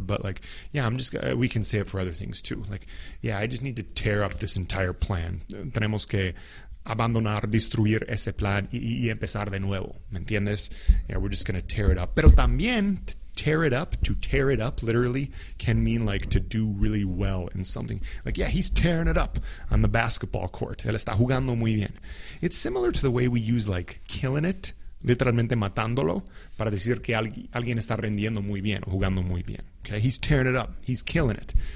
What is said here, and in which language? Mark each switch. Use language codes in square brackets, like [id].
[en] But like, yeah, I'm just, we can say it for other things too. Like, yeah, I just need to tear up this entire plan. [es] Tenemos que abandonar, destruir ese plan y empezar de nuevo. ¿Me entiendes? [en] Yeah, we're just going to tear it up. [es] Pero también, [en] to tear it up, literally, can mean, like, to do really well in something. Like, yeah, he's tearing it up on the basketball court. [es] Él está jugando muy bien. [en] It's similar to the way we use, like, killing it, [es] literalmente matándolo, para decir que alguien está rindiendo muy bien, jugando muy bien. [en] Okay, he's tearing it up. He's killing it.